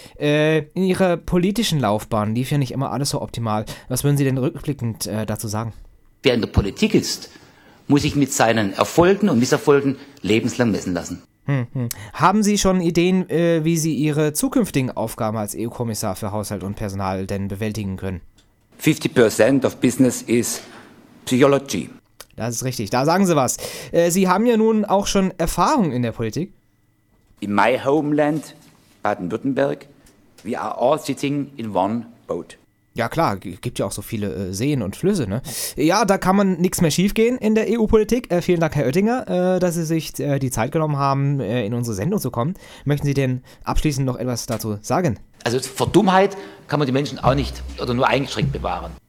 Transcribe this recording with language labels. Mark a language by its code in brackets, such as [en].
[de] In Ihrer politischen Laufbahn lief ja nicht immer alles so optimal. Was würden Sie denn rückblickend dazu sagen? Wer in der Politik ist, muss ich mit seinen Erfolgen und Misserfolgen lebenslang messen lassen. Haben Sie schon Ideen, wie Sie Ihre zukünftigen Aufgaben als EU-Kommissar für Haushalt und Personal denn bewältigen können? [en] 50% of business is psychology. [de] Das ist richtig, da sagen Sie was. Sie haben ja nun auch schon Erfahrung in der Politik. [en] In my homeland, Baden-Württemberg, we are all sitting in one boat. [de] Ja klar, gibt ja auch so viele Seen und Flüsse, ne? Ja, da kann man nichts mehr schiefgehen in der EU-Politik. Vielen Dank, Herr Oettinger, dass Sie sich die Zeit genommen haben, in unsere Sendung zu kommen. Möchten Sie denn abschließend noch etwas dazu sagen? Also vor Dummheit kann man die Menschen auch nicht oder nur eingeschränkt bewahren.